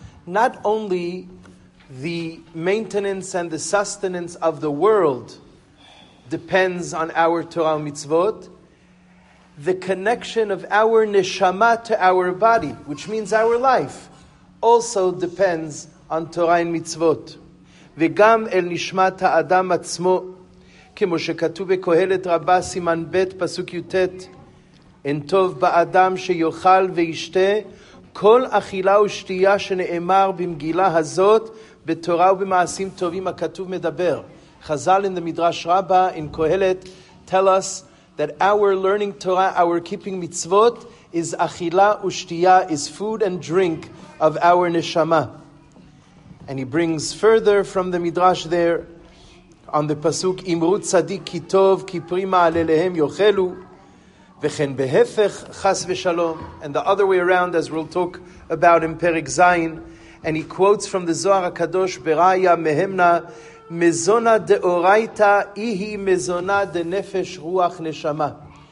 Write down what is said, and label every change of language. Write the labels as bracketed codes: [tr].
[en] Not only the maintenance and the sustenance of the world depends on our Torah mitzvot, the connection of our neshama to our body, which means our life, also depends on Torah and mitzvot. [he] וגם אל נשמת האדם עצמו, כמו שכתוב בקהלת רבה, סימן ב' פסוק י"ט, אין טוב באדם שיוכל וישתה, כל אכילה ושתייה שנאמר במגילה הזאת, בתורה ובמעשים טובים, הכתוב מדבר. [en] חזל in the Midrash Rabbah, in Kohelet, tell us that our learning Torah, our keeping mitzvot, is [he] אכילה ושתייה, [en] is food and drink of our neshama. And he brings further from the Midrash there, on the Pasuk, [he] Imru tzadik ki tov, ki prima alelehem yochelu, v'chen [en] behefech chas v'shalom, and the other way around, as we'll talk about in Perek Zayin, and he quotes from the Zohar HaKadosh, [arc] Beraya mehemna, mezona deoraita, ihi mezona de nefesh ruach neshama.